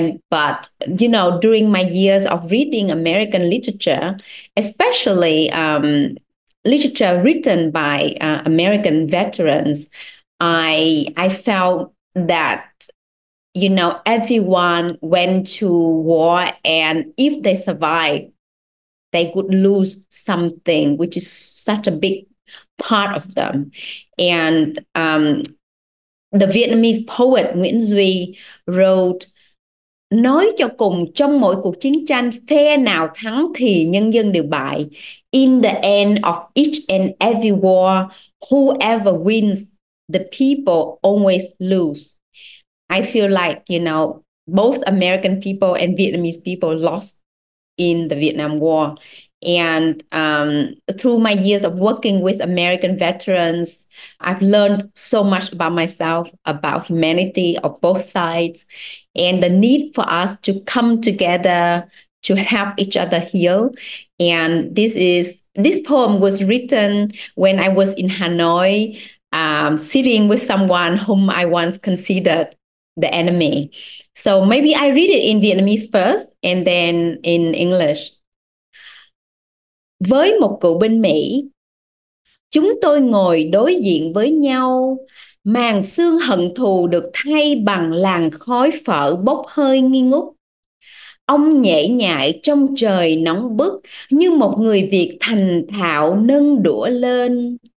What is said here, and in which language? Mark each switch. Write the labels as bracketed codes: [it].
[en] But you know, during my years of reading American literature, especially literature written by American veterans, I felt that, you know, everyone went to war, and if they survived, they could lose something, which is such a big part of them. And the Vietnamese poet Nguyễn Duy wrote, [vi] "Nói cho cùng, trong mỗi cuộc chiến tranh, phe nào thắng thì nhân dân đều bại. [en] In the end of each and every war, whoever wins, the people always lose." I feel like, you know, both American people and Vietnamese people lost in the Vietnam War. And through my years of working with American veterans, I've learned so much about myself, about humanity of both sides, and the need for us to come together to help each other heal. And this poem was written when I was in Hanoi, sitting with someone whom I once considered the enemy. So maybe I read it in Vietnamese first and then in English. [vi] Với một cựu binh Mỹ, chúng tôi ngồi đối diện với nhau, màn xương hận thù được thay bằng làn khói phở bốc hơi nghi ngút. Ông nhễ nhại trong trời nóng bức như một người Việt thành thạo nâng đũa lên.